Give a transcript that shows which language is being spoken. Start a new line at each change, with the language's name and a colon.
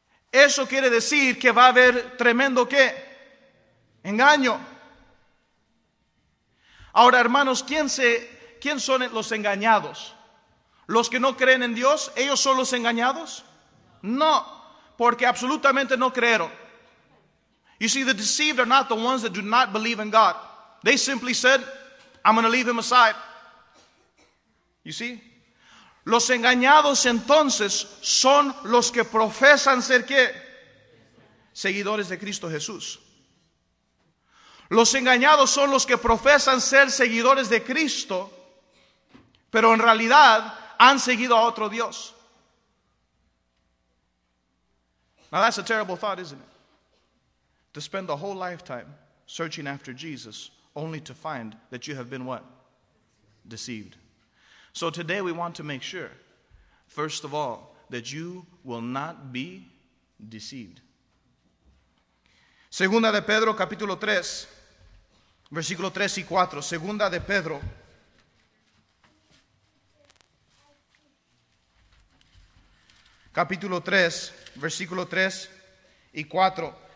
Spanish: Eso quiere decir que va a haber tremendo qué. Engaño. Ahora, hermanos, ¿quién son los engañados? ¿Los que no creen en Dios, ellos son los engañados? No. Porque absolutamente no creyeron.
English: You see, the deceived are not the ones that do not believe in God. They simply said, I'm going to leave him aside. You see?
Spanish: Los engañados entonces son los que profesan ser ¿qué? Seguidores de Cristo Jesús. Los engañados son los que profesan ser seguidores de Cristo, pero en realidad han seguido a otro Dios.
English: Now that's a terrible thought, isn't it? To spend a whole lifetime searching after Jesus only to find that you have been what? Deceived. So today we want to make sure, first of all, that you will not be deceived.
Spanish: Segunda de Pedro, capítulo 3, versículo 3 y 4. Segunda de Pedro. Capítulo 3, versículo 3 y 4.